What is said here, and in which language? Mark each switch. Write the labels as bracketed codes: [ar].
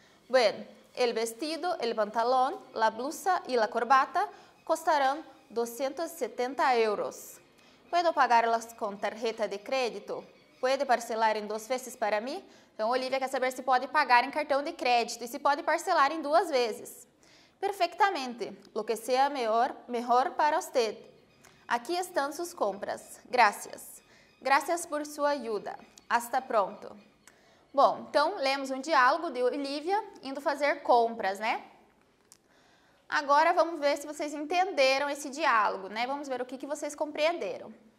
[es] Bueno, el vestido, el pantalón, la blusa y la corbata costarán 270 euros. ¿Puedo pagarlas con tarjeta de crédito? ¿Puede parcelar en dos veces para mí? [pt] Então, Olivia quer saber se pode pagar em cartão de crédito e se pode parcelar em duas vezes. Perfeitamente. [es] Lo que sea mejor para usted. [pt] Aqui estão suas compras. [es] Gracias. Gracias por sua ajuda. Hasta pronto. [pt] Bom, então lemos um diálogo de Olivia indo fazer compras, né? Agora vamos ver se vocês entenderam esse diálogo, né? Vamos ver o que vocês compreenderam.